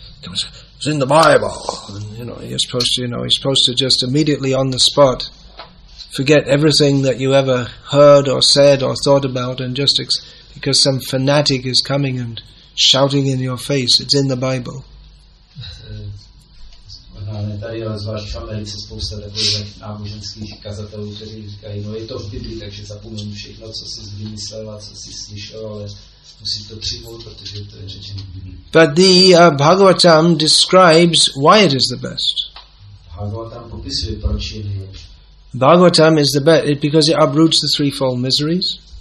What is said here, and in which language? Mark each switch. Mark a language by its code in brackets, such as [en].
[en] comes, it's in the Bible. And, you know, you're supposed to, you know, you're supposed to just immediately on the spot forget everything that you ever heard or said or thought about, and just because some fanatic is coming and shouting in your face, it's in the Bible. [cs] Tady ale zvlášť v Americe spousta takových náboženských kazatelů, kteří říkají, no je to v Biblii, takže zapomeň všechno, co jsi vymyslel a co jsi slyšel, ale musíš to přijmout, protože to je řečeno v Biblii. [en] But the Bhagavatam describes why it is the best. [cs] Bhagavatam popisuje, proč je nejlepší. [en] Bhagavatam is the best because it uproots the threefold miseries.